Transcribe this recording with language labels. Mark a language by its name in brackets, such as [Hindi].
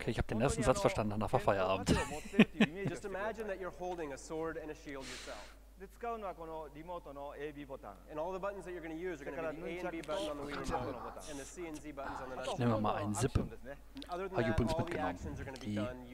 [German] Okay, ich habe den ersten Satz verstanden, danach war Feierabend. [English] Just imagine that you're holding a sword and a shield yourself. [Japanese] で、使うのはこのリモートの AB ボタン。 [English] And all the buttons that you're going to use are going to be the A and B button on the Wii Remote and the C and Z buttons on the nunchuck. [German] Nehmen wir mal einen Zip. [English] Other than that, all the actions are going to be done